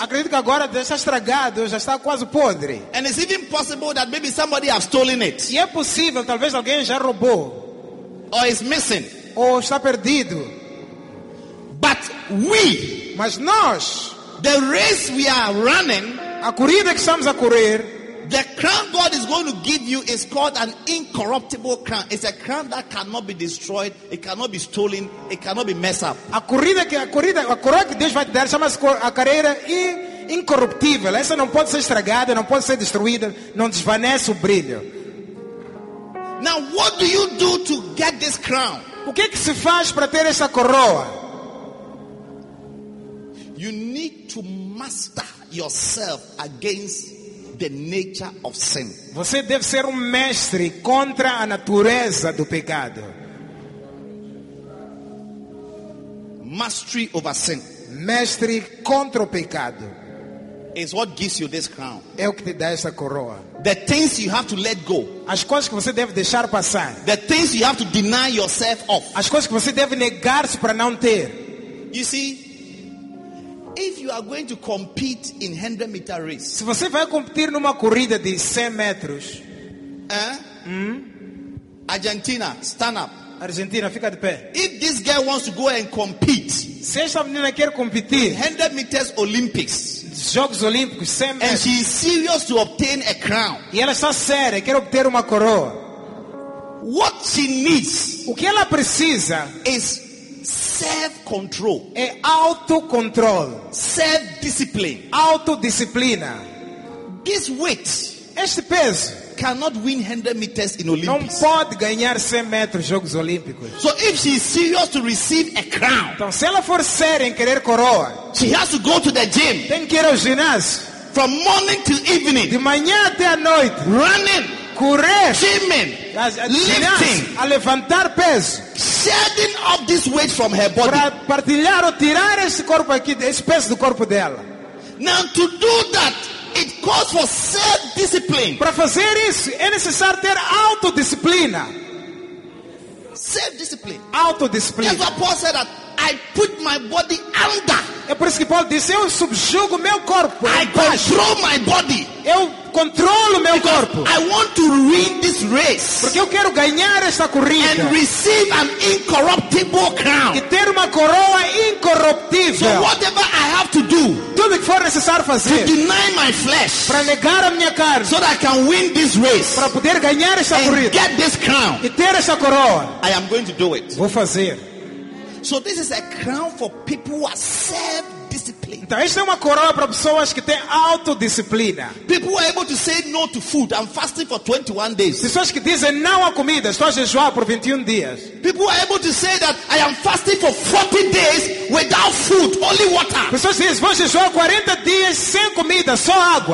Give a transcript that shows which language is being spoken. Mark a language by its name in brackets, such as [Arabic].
[Portuguese] Acredito que agora já está estragado, já está quase podre. [English] And it's even possible that maybe somebody has stolen it. [Portuguese] E é possível talvez alguém já roubou. [English] Or is missing. [Portuguese] Ou está perdido. [English] But we, [Portuguese] mas nós, [English] the race we are running, [Portuguese] a corrida que estamos a correr, [English] the crown God is going to give you is called an incorruptible crown. It's a crown that cannot be destroyed, it cannot be stolen, it cannot be messed up. [Portuguese] A corrida que Deus vai te dar chama-se a carreira incorruptível. Essa não pode ser estragada, não pode ser destruída, não desvanece o brilho. [English] Now, what do you do to get this crown? [Portuguese] O que é que se faz para ter essa coroa? [English] You need to master yourself against the nature of sin. [Portuguese] Você deve ser mestre contra a natureza do pecado. [English] Mastery over sin. [Portuguese] Mestre contra o pecado. [English] Is what gives you this crown. [Portuguese] É o que te dá essa coroa. [English] The things you have to let go. [Portuguese] As coisas que você deve deixar passar. [English] The things you have to deny yourself of. [Portuguese] As coisas que você deve negar-se para não ter. [English] You see? If you are going to compete in 100 meter race, [Portuguese] se você vai competir numa corrida de 100 metros, [English] Argentina, stand up. [Portuguese] Argentina, fica de pé. [English] If this guy wants to go and compete, [Portuguese] se essa menina quer competir, [English] 100 meters Olympics, [Portuguese] Jogos Olímpicos, 100 metros, [English] and she is serious to obtain a crown, [Portuguese] e ela está séria, quer obter uma coroa, [English] what she needs, [Portuguese] o que ela precisa, [English] is self-control. [Portuguese] É autocontrol. [English] Self-discipline. [Portuguese] Autodisciplina. [English] This weight, [Portuguese] este peso, [English] cannot win 100 meters in Olympics. [Portuguese] Não pode ganhar 100 metros Jogos Olímpicos. [English] So if she is serious to receive a crown, [Portuguese] então se ela for séria em querer coroa, [English] she has to go to the gym. [Portuguese] Tem que ir ao ginásio. [English] From morning till evening. [Portuguese] De manhã até à noite. [English] Running. [Portuguese] Correr. [English] Swimming. Lifting. [Portuguese] A levantar peso. [English] Shedding off this weight from her body. [Portuguese] Para partilhar ou tirar esse corpo aqui, esse peso do corpo dela. [English] Now to do that, it calls for self-discipline. [Portuguese] Para fazer isso, é necessário ter autodisciplina. [English] Self-discipline. [Portuguese] Autodisciplina. [English] That's what Paul said, that I put my body under. [Portuguese] É por isso que Paul disse, eu subjugo meu corpo. [English] I control my body. [Portuguese] Eu controlo meu [English] Because [Portuguese] corpo. [English] I want to win this race. [Portuguese] Porque eu quero ganhar esta corrida. [English] And receive an incorruptible crown. [Portuguese] E ter uma coroa incorruptível. [English] So whatever I have to do, [Portuguese] tudo que for necessário fazer, [English] to deny my flesh, [Portuguese] para negar a minha carne, [English] so that I can win this race, [Portuguese] para poder ganhar esta [English] and [Portuguese] corrida, [English] get this crown, [Portuguese] e ter esta coroa, [English] I am going to do it. [Portuguese] Vou fazer. [English] So this is a crown for people who are self-disciplined. [Portuguese] Então esta é uma coroa para pessoas que têm autodisciplina. [English] People who are able to say no to food. I'm fasting for 21 days. [Portuguese] Pessoas que dizem não à comida. Estou a jejuar por 21 dias. [English] People who are able to say that I am fasting for 40 days without food, only water. [Portuguese] Pessoas dizem vou jejuar 40 dias sem comida, só água.